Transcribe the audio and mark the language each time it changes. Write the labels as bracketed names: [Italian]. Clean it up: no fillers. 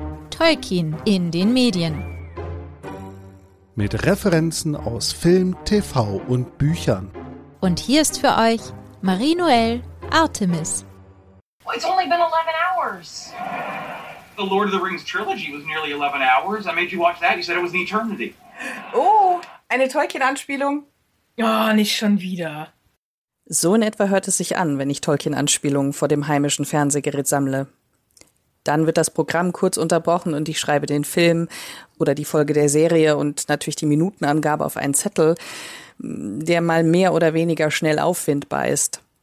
[German] Tolkien in den Medien. Mit Referenzen aus Film, TV und Büchern. Und hier ist für euch Marie-Noëlle Artemis. [English] It's only been 11 hours. The Lord of the Rings trilogy was nearly 11 hours. I made you watch that. You said it was an eternity. [German] Oh, eine Tolkien-Anspielung. Oh, nicht schon wieder. So in etwa hört es sich an, wenn ich Tolkien-Anspielungen vor dem heimischen Fernsehgerät sammle. Dann wird das Programm kurz unterbrochen und ich schreibe den Film oder die Folge der Serie und natürlich die Minutenangabe auf einen Zettel, der mal mehr oder weniger schnell auffindbar ist.